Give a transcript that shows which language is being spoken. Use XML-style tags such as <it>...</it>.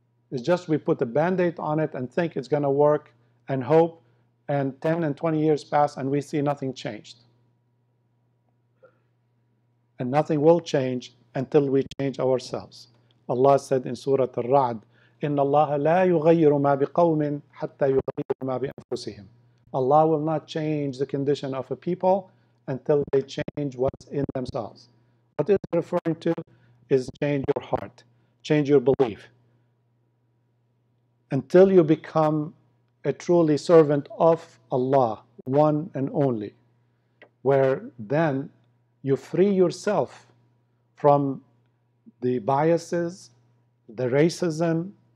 <en>It's just we put a Band-Aid on it and think it's going to work and hope, and 10 and 20 years pass and we see nothing changed. And nothing will change until we change ourselves. Allah said in Surah Al-Ra'd,</en> <ar>إِنَّ اللَّهَ لَا يُغَيِّرُ مَا بِقَوْمٍ حَتَّى يُغَيِّرُ مَا بِأَنفُسِهِمْ.</ar> <en>Allah will not change the condition of a people until they change what's in themselves. What it's referring to is change your heart, change your belief. until you become a truly servant of Allah, one and only, where then you free yourself from the biases, the racism.</en>